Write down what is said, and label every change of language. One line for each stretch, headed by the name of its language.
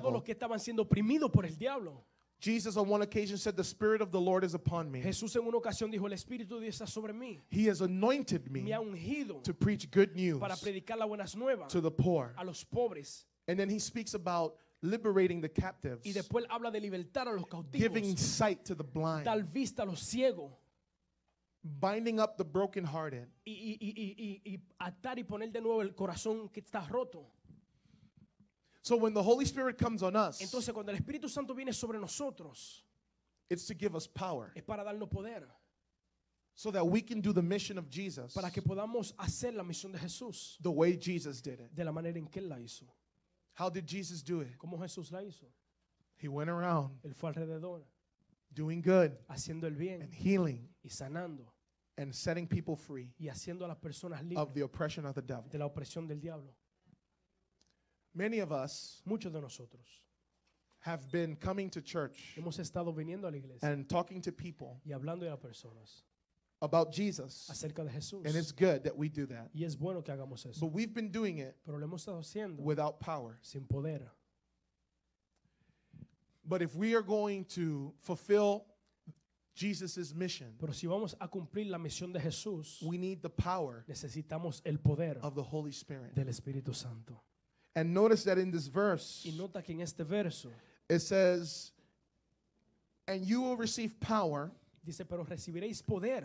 Spanish: Todos los que estaban siendo oprimidos por el diablo.
English: Jesus on one occasion said, the Spirit of the Lord is upon me.
Spanish: Jesús en una ocasión dijo, el Espíritu de Dios está sobre mí.
English: He has anointed me,
Spanish: me ha ungido,
English: to preach good news,
Spanish: para predicar las buenas nuevas,
English: to the poor,
Spanish: a los pobres.
English: And then he speaks about liberating the captives,
Spanish: y después habla de libertar a los cautivos,
English: giving sight to the blind,
Spanish: dar vista a los ciegos,
English: binding up the brokenhearted,
Spanish: y atar y poner de nuevo el corazón que está roto.
English: So when the Holy Spirit comes on us,
Spanish: entonces cuando el Espíritu Santo viene sobre nosotros,
English: it's to give us power,
Spanish: es para darnos poder,
English: so that we can do the mission of Jesus,
Spanish: para que podamos hacer la misión de Jesús,
English: the way Jesus did it,
Spanish: de la manera en que él la hizo.
English: How did Jesus do it?
Spanish: ¿Cómo Jesús la hizo?
English: He went around,
Spanish: él fue alrededor,
English: doing good,
Spanish: haciendo el bien,
English: and healing,
Spanish: y sanando,
English: and setting people free,
Spanish: y haciendo a las personas libres,
English: of the oppression of the devil,
Spanish: de la opresión del diablo.
English: Many of us,
Spanish: muchos de nosotros,
English: have been coming to church
Spanish: hemos estado viniendo a la iglesia
English: and talking to people
Spanish: y hablando a personas
English: about Jesus
Spanish: acerca de Jesús.
English: And it's good that we do that
Spanish: y es bueno que hagamos eso.
English: But we've been doing it
Spanish: pero lo hemos estado haciendo
English: without power
Spanish: sin poder.
English: But if we are going to fulfill Jesus's mission,
Spanish: pero si vamos a cumplir la misión de Jesús,
English: we need the power
Spanish: necesitamos el poder
English: of the Holy Spirit
Spanish: del Espíritu Santo.
English: And notice that in this verse,
Spanish: y nota que en este verso,
English: it says, and you will receive power
Spanish: dice, pero recibiréis poder